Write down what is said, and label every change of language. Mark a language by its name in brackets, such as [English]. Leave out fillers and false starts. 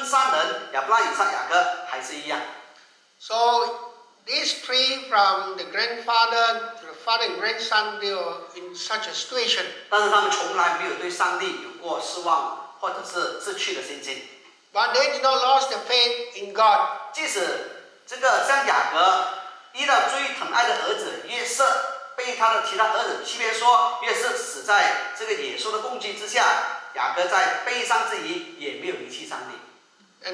[Chinese] 就是这样的遭遇以及状况，他们这个祖孙三人亚伯拉罕、以撒、雅各还是一样。 [English] So these three from the grandfather. Father and grandson they were in such a situation. [Chinese] 但是他们从来没有对上帝有过失望，或者是失去的信心。 [English] But they did not lose their faith in God. [Chinese] 即使这个像雅各，遇到最疼爱的儿子约瑟被他的其他儿子欺骗说约瑟死在这个野兽的攻击之下，雅各在悲伤之余也没有离弃上帝。 [English] And